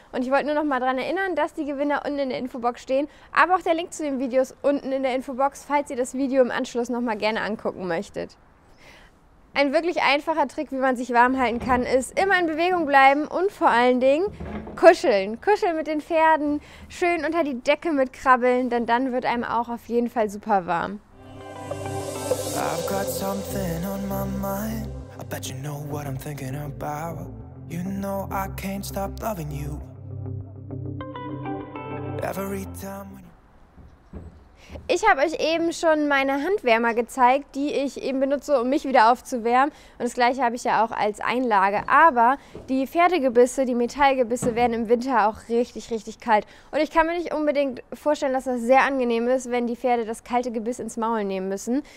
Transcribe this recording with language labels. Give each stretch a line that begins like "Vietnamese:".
German: Und ich wollte nur noch mal daran erinnern, dass die Gewinner unten in der Infobox stehen. Aber auch der Link zu den Videos unten in der Infobox, falls ihr das Video im Anschluss noch mal gerne angucken möchtet. Ein wirklich einfacher Trick, wie man sich warm halten kann, ist immer in Bewegung bleiben und vor allen Dingen kuscheln. Kuscheln mit den Pferden, schön unter die Decke mit krabbeln, denn dann wird einem auch auf jeden Fall super warm.
English: I've got something on my mind. I bet you know what I'm thinking about. You know I can't stop loving you. Every time.
German: Ich habe euch eben schon meine Handwärmer gezeigt, die ich eben benutze, um mich wieder aufzuwärmen. Und das gleiche habe ich ja auch als Einlage. Aber die Pferdegebisse, die Metallgebisse werden im Winter auch richtig, richtig kalt. Und ich kann mir nicht unbedingt vorstellen, dass das sehr angenehm ist, wenn die Pferde das kalte Gebiss ins Maul nehmen müssen.